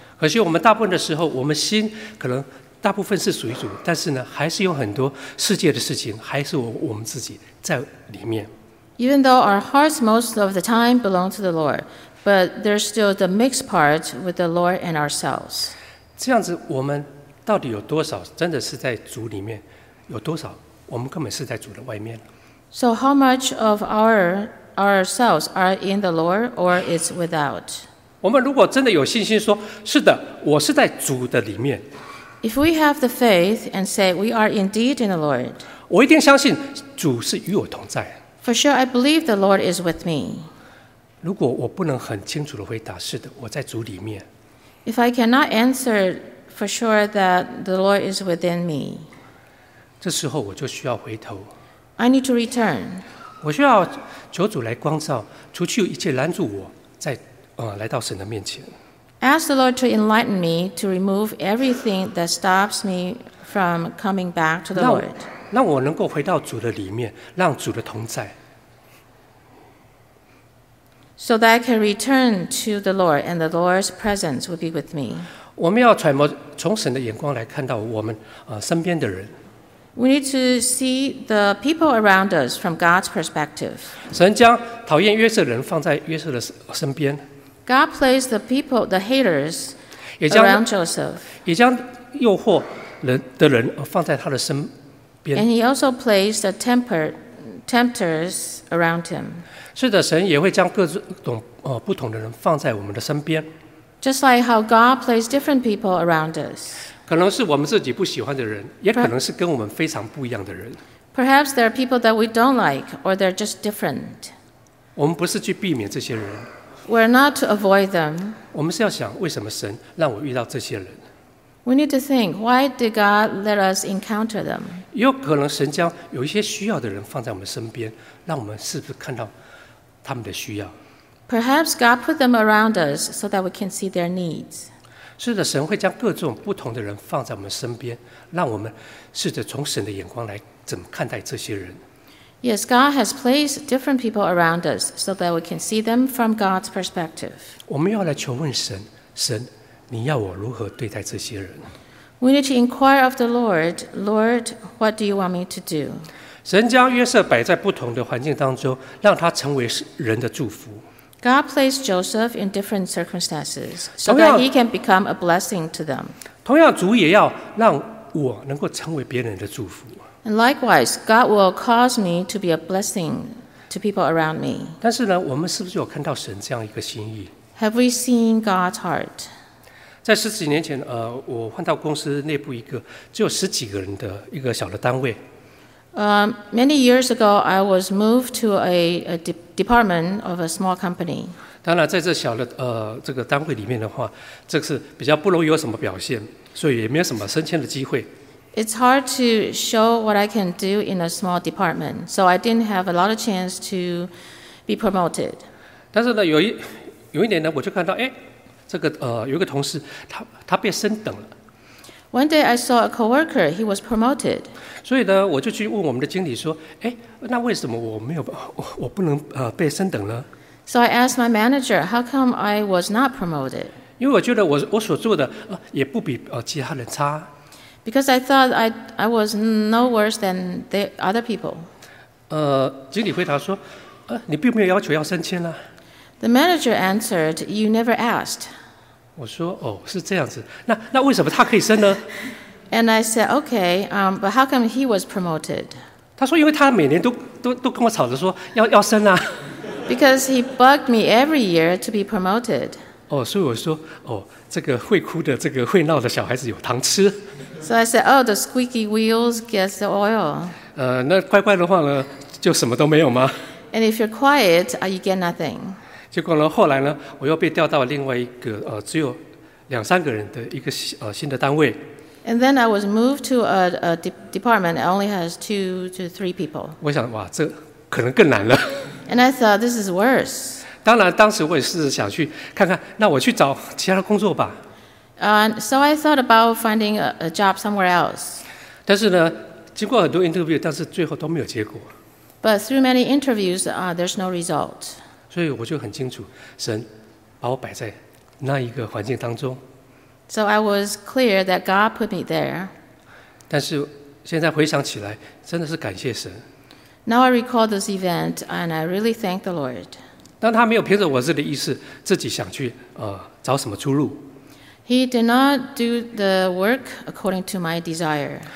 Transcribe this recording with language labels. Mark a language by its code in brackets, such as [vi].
[zh] 可惜我们大部分的时候，我们心可能大部分是属于主，但是呢，还是有很多世界的事情，还是我们自己在里面。 [en] Even though our hearts most of the time belong to the Lord. But there's still the mixed part with the Lord and ourselves. [zh] 这样子，我们到底有多少真的是在主里面？有多少我们根本是在主的外面 [en] ？So how much of ourselves are in the Lord or is without? [zh] 我们如果真的有信心说，是的，我是在主的里面。 [en] If we have the faith and say we are indeed in the Lord, [zh] 我一定相信主是与我同在。 [en] For sure, I believe the Lord is with me. [zh] 如果我不能很清楚的回答，是的，我在主里面。 [en] If I cannot answer for sure that the Lord is within me, [zh] 这时候我就需要回头。 [en] I need to return. [zh] 我需要求主来光照，除去一切拦住我，再来到神的面前。 [en] Ask the Lord to enlighten me to remove everything that stops me from coming back to the Lord. [zh] 让我能够回到主的里面，让主的同在。 [en] So that I can return to the Lord and the Lord's presence will be with me. [zh] 我们要揣摩从神的眼光来看到我们身边的人。 [en] We need to see the people around us from God's perspective. [zh] 神将讨厌约瑟的人放在约瑟的身边。 [en] God placed the people, the haters around Joseph. [zh] 也将诱惑人的人放在他的身边。 [en] And he also placed the tempters around him. [zh] 是的，神也会将各种不同的人放在我们的身边。 [en] Just like how God plays different people around us. [zh] 可能是我们自己不喜欢的人，也可能是跟我们非常不一样的人。 [en] Perhaps there are people that we don't like, or they're just different. [zh] 我们不是去避免这些人。 [en] We're not to avoid them. [zh] 我们是要想为什么神让我遇到这些人。 [en] We need to think, why did God let us encounter them? [zh] 也有可能神将有一些需要的人放在我们身边，让我们是不是看到。他们的需要。 [en] Perhaps God put them around us so that we can see their needs. [zh] 是的，神会将各种不同的人放在我们身边，让我们试着从神的眼光来怎么看待这些人。 [en] Yes, God has placed different people around us so that we can see them from God's perspective. [zh] 我们要来求问神，神，你要我如何对待这些人 [en] ？We need to inquire of the Lord. Lord, what do you want me to do? [zh] 神将约瑟摆在不同的环境当中，让他成为人的祝福。 [en] God placed Joseph in different circumstances so that he can become a blessing to them. [zh] 同样，主也要让我能够成为别人的祝福。 [en] And likewise, God will cause me to be a blessing to people around me. [zh] 但是呢，我们是不是有看到神这样一个心意 [en] ？Have we seen God's heart? [zh] 在十几年前，我换到公司内部一个只有十几个人的一个小的单位。 [en] Many years ago, I was moved to a department of a small company. [zh] 当然，在这小的这个单位里面的话，这是比较不容易有什么表现，所以也没有什么升迁的机会。 [en] It's hard to show what I can do in a small department, so I didn't have a lot of chance to be promoted. [zh] 但是呢，有一年呢，我就看到，哎，这个有一个同事，他被升等了。 [en] One day I saw a coworker, he was promoted. [zh] 所以呢，我就去问我们的经理说，哎，那为什么我不能被升等呢？ [en] So I asked my manager, how come I was not promoted? [zh] 因为我觉得我所做的也不比其他人差。 [en] Because I thought I was no worse than the other people. [zh] 经理回答说，你并没有要求要升迁啦。 [en] The manager answered, "You never asked." [zh] 我说，哦，是这样子。那为什么他可以升呢？ [en] And I said, "Okay, but how come he was promoted?" [zh] 他说，因为他每年都跟我吵着说要升啦。 [en] Because he bugged me every year to be promoted. [zh] 哦，所以我说，哦，这个会哭的、这个会闹的小孩子有糖吃。 [en] So I said, "Oh, the squeaky wheels gets the oil." [zh] 那乖乖的话呢，就什么都没有吗？ [en] And if you're quiet, you get nothing. [zh] 结果呢，后来呢，我又被调到另外一个只有两三个人的一个新的单位。 [en] And then I was moved to a department that only has 2 to 3 people. [zh] 我想，哇，这可能更难了。 [en] And I thought this is worse. [zh] 当然，当时我也是想去看看，那我去找其他的工作吧。 [en] So I thought about finding a job somewhere else. [zh] 但是呢，经过很多 interview， 但是最后都没有结果。 [en] But through many interviews, there's no result. [zh] 所以我就很清楚，神把我摆在那一个环境当中。 [en] So I was clear that God put me there. [zh] 但是现在回想起来，真的是感谢神。 [en] Now I recall this event, and I really thank the Lord. [zh] 但他没有凭着我自己的意思自己想去找什么出路。 [en] He did not do the work according to my desire.